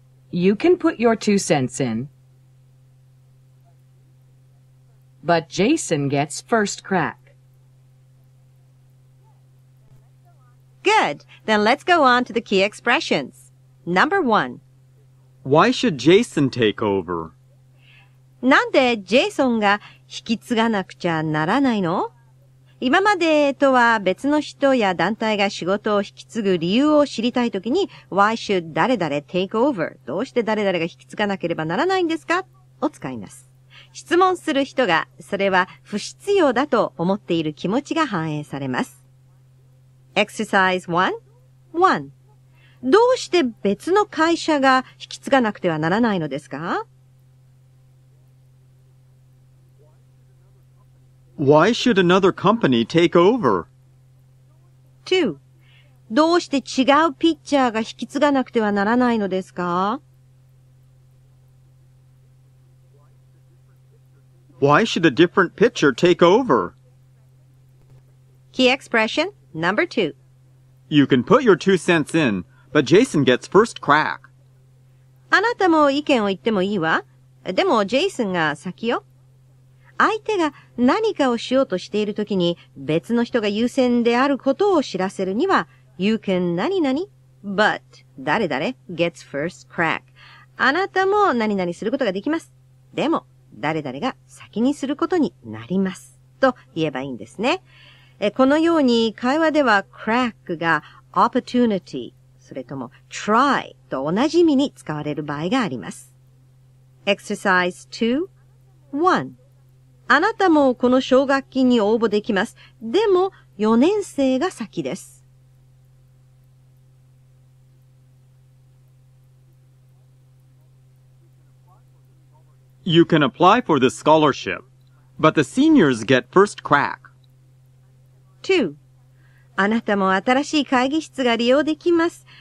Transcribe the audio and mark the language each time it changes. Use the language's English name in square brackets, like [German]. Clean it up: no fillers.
[English] You can put your 2 cents in. But Jason gets first crack. Good. Then let's go on to the key expressions. Number one. Why should Jason take over? [Japanese] なんでジェイソンが引き継がなくちゃならないの? 今までとは別の人や団体が仕事を引き継ぐ理由を知りたいときに [English] Why should [Japanese] 誰々 [English] take over? [Japanese] どうして誰々が引き継がなければならないんですか?を使います。質問する人がそれは不必要だと思っている気持ちが反映されます。 [English] Exercise 1.1. [Japanese] どうして別の会社が引き継がなくてはならないのですか? [English] Why should another company take over? 2. [Japanese] どうして違うピッチャーが引き継がなくてはならないのですか? [English] Why should a different pitcher take over? Key expression number 2. You can put your 2 cents in, but Jason gets first crack. [Japanese] あなたも意見を言ってもいいわ。でもジェイソンが先よ。相手が何かをしようとしているときに別の人が優先であることを知らせるには You can 何々 [English] But 誰々 gets first crack [Japanese] あなたも何々することができますでも誰々が先にすることになりますと言えばいいんですねこのように会話では crack が opportunity それとも try と同じ意味に使われる場合があります Exercise 2.1あなたもこの奨学金に応募できます。でも、4年生が先です。 [English] You can apply for this scholarship, but the seniors get first crack. 2. [Japanese] あなたも新しい会議室が利用できます。